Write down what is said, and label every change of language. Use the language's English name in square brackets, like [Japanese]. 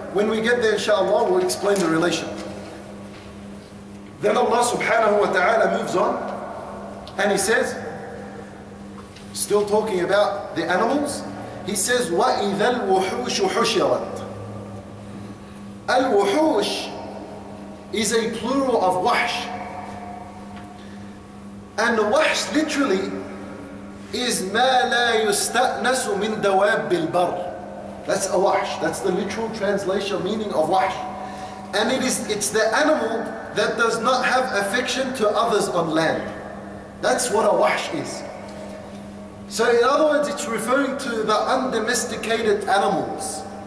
[English] When we get there, inshaAllah, we'll explain the relation. Then Allah subhanahu wa ta'ala moves on and He says, still talking about the animals, He says, [Arabic] وَإِذَا الْوُحُوشُ حُشِرَتْ. [English] Al-wuhush is a plural of wahsh. And wahsh literally is [Arabic] مَا لَا يُسْتَأْنَسُ مِنْ دَوَابِّ الْبَرِّ. [English] That's a wahsh. That's the literal translation meaning of wahsh. And it's the animal that does not have affection to others on land. That's what a wahsh is. So in other words, it's referring to the undomesticated animals.